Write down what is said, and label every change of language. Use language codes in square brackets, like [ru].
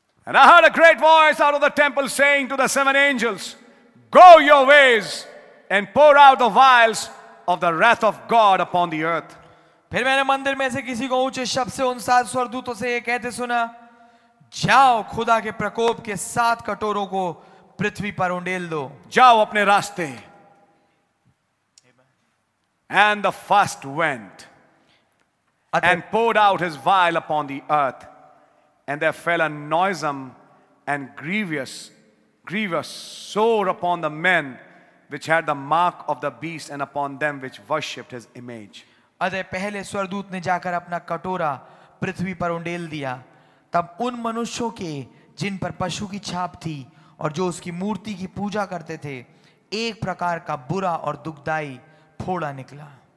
[en] And I heard a great voice out of the temple saying to the seven angels, Go your ways and pour out the vials of the wrath of God upon the earth. [hi] फिर मैंने मंदिर में से किसी को ऊंचे शब्द से उन सात स्वर्गदूतों से ये कहते सुना जाओ खुदा के प्रकोप के सात कटोरों को पृथ्वी पर उंडेल दो जाओ अपने रास्ते [en] And the first went and poured out his vial upon the earth and there fell a noisome and grievous sore upon the men which had the mark of the beast and upon them which worshipped his image [hi] अतः पहले स्वर्गदूत ने जाकर अपना कटोरा पृथ्वी पर उंडेल दिया तब उन मनुष्यों के जिन पर पशु की छाप थी और जो उसकी मूर्ति की पूजा करते थे एक प्रकार का बुरा और दुखदाई फोड़ा निकला